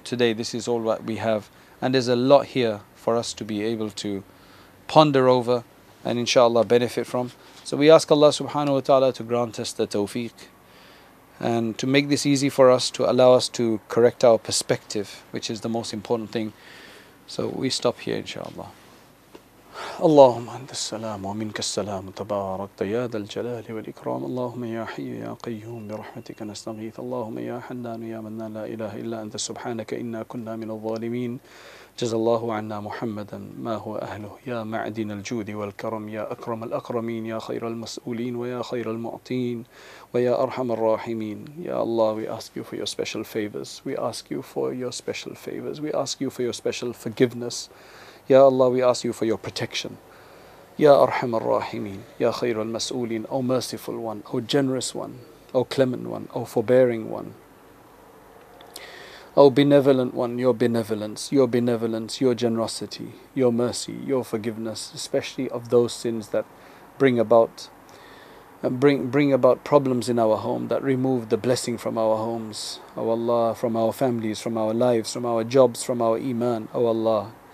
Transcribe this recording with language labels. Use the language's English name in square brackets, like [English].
[English] Today, this is all what we have. And there's a lot here for us to be able to ponder over and, inshallah, benefit from. So we ask Allah subhanahu wa ta'ala to grant us the tawfiq and to make this easy for us, to allow us to correct our perspective, which is the most important thing. So we stop here, inshallah. [Arabic] اللهم أنت السلام ومنك السلام تبارك يا ذا الجلال والإكرام اللهم يا حي يا قيوم برحمتك نستغيث اللهم يا حنان يا منان لا إله إلا أنت سبحانك إنا كنا من الظالمين جزى الله عنا محمدا ما هو أهله يا معدن الجود والكرم يا أكرم الأكرمين يا خير المسؤولين ويا خير المعطين ويا أرحم الراحمين يا الله [English] we ask you for your special favors, we ask you for your special favors, we ask you for your special forgiveness. Ya Allah, we ask you for your protection. [Arabic] Ya Arham al-Rahimeen, Ya Khair al-Mas'ooleen, [English] O Merciful One, O Generous One, O Clement One, O Forbearing One, O Benevolent One, your benevolence, your generosity, your mercy, your forgiveness, especially of those sins that bring about problems in our home, that remove the blessing from our homes, O Allah, from our families, from our lives, from our jobs, from our iman, O Allah.